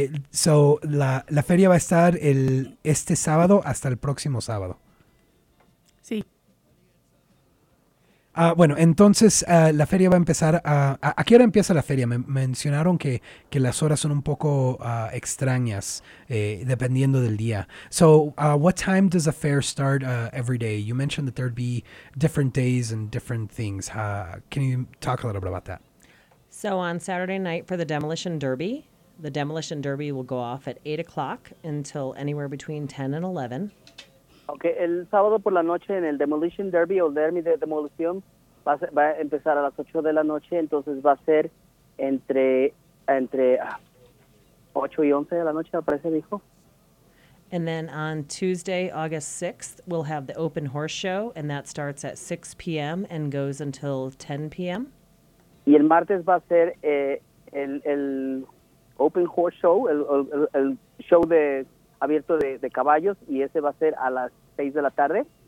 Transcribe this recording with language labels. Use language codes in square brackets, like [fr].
[es] So la feria va a estar este sábado hasta el próximo sábado. Sí. Bueno, entonces la feria va a empezar ¿a qué hora empieza la feria? Me mencionaron que las horas son un poco extrañas dependiendo del día. [en] So what time does the fair start every day? You mentioned that there'd be different days and different things. Can you talk a little bit about that? So on Saturday night for the Demolition Derby will go off at 8 o'clock until anywhere between 10 and 11. [es] Okay, el sábado por la noche en el Demolition Derby o Derby de Demolición va a empezar a las 8 de la noche, entonces va a ser entre 8 y 11 de la noche, aparece, dijo. [en] And then on Tuesday, August 6th, we'll have the Open Horse Show, and that starts at 6 p.m. and goes until 10 p.m. [es] Y el martes va a ser el Open Horse Show, el show de abierto de caballos, y ese va a ser a las 6 de la tarde.